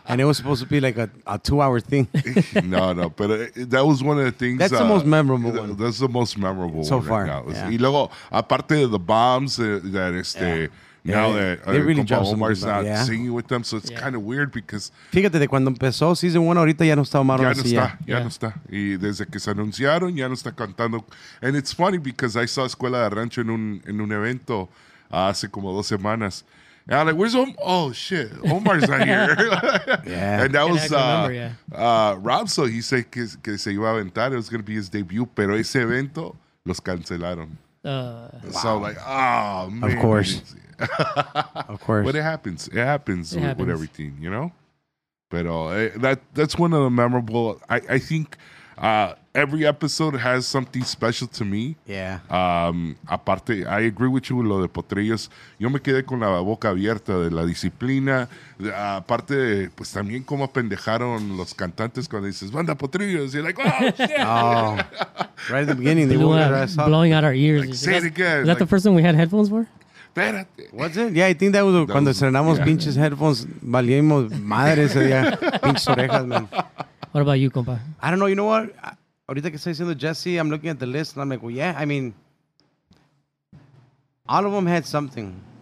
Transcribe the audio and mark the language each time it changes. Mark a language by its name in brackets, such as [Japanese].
[English] And it was supposed to be like a 2-hour thing. No, but that was one of the things. That's the most memorable one. That's the most memorable so one far. [Spanish] Y luego, aparte de [English] the bombs that now that really Compa Omar's not singing with them, so it's kind of weird because... [Spanish] Fíjate, de cuando empezó Season 1, ahorita ya no está Omar García. Ya no está. Y desde que se anunciaron, ya no está cantando. [English] And it's funny because I saw Escuela de Rancho [Spanish] en un evento hace como 2 semanas. [English] And I'm like, where's Omar? Oh, shit. Omar's not here. And that was Rob, so he said [Spanish] que se iba a aventar. [English] It was going to be his debut, [Spanish] pero ese evento los cancelaron. [English] So I'm like, oh, man. Of course. Of course. But it happens with everything, you know? But that's one of the memorable. I think every episode has something special to me. Yeah. [Spanish] Aparte, [English] I agree with you, [Spanish] lo de [English] Potrillos. [Spanish] Yo me quedé con la boca abierta de la disciplina. Aparte, pues también como apendejaron los cantantes cuando dices, banda Potrillos. [English] You're like, oh, shit. Right at the beginning, they were blowing out our ears. Like, say it again. Is that the first one we had headphones for? Was it? Yeah, I think that was when we [Spanish] estrenamos pinches [English] headphones. [Spanish] Valimos madre ese día. Pinches orejas, man. [English] What about you, compa? I don't know. You know what? [Spanish] Ahorita que estoy diciendo [English] Jesse, I'm looking at the list and I'm like, well, yeah, I mean, all of them had something.